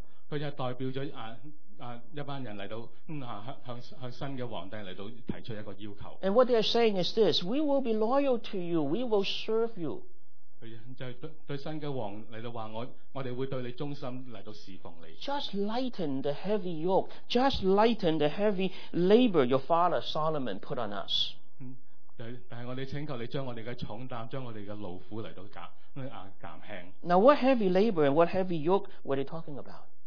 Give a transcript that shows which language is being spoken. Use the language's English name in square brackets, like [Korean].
[Chinese] 他就代表了一班人来到向新的皇帝来到提出一个要求。 [English] And what they are saying is this, we will be loyal to you, we will serve you. [Chinese] 对新的皇来到说我们会对你忠心来到侍奉你。 [English] Just lighten the heavy yoke, just lighten the heavy labor your father Solomon put on us. [Chinese] 但是我们请求你将我们的重担将我们的劳苦来到减轻。 [English] Now what heavy labor and what heavy yoke were they talking about?